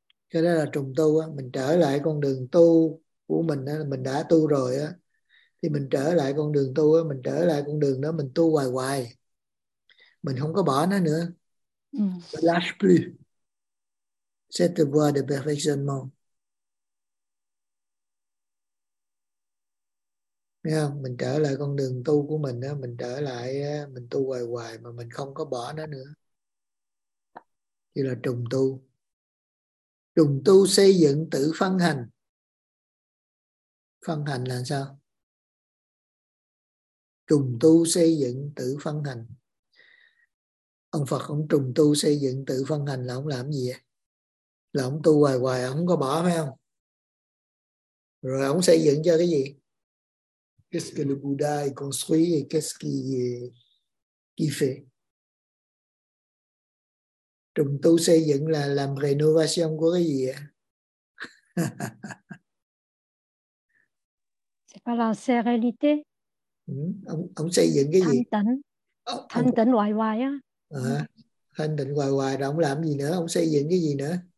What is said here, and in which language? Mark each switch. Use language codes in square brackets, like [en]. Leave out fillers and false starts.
[vi] Cái đó là trùng tu á, mình trở lại con đường tu của mình á, mình đã tu rồi á, thì mình trở lại con đường tu á, mình trở lại con đường đó, mình tu hoài hoài, mình không có bỏ nó nữa. [fr] Je lâche plus cette voie de perfectionnement. [vi] Thấy không? Mình trở lại con đường tu của mình á, mình trở lại á, mình tu hoài hoài mà mình không có bỏ nó nữa, chỉ là trùng tu. Trùng tu xây dựng tự phân hành. Phân hành là sao? Trùng tu xây dựng tự phân hành. Ông Phật không trùng tu xây dựng tự phân hành là ông làm gì vậy? Là ông tu hoài hoài, ông không có bỏ phải không? Rồi ông xây dựng cho cái gì? [fr] Qu'est-ce que le Bouddha a construit et qu'est-ce qu'il fait? [vi] Trùng tu xây dựng là làm renovation của cái gì ạ? [fr] C'est pas la sérénité. [vi] Ông xây dựng cái thanh gì? Thanh tịnh. Thanh tịnh hoài hoài á. À, thanh tịnh hoài hoài rồi ông làm gì nữa, ông xây dựng cái gì nữa?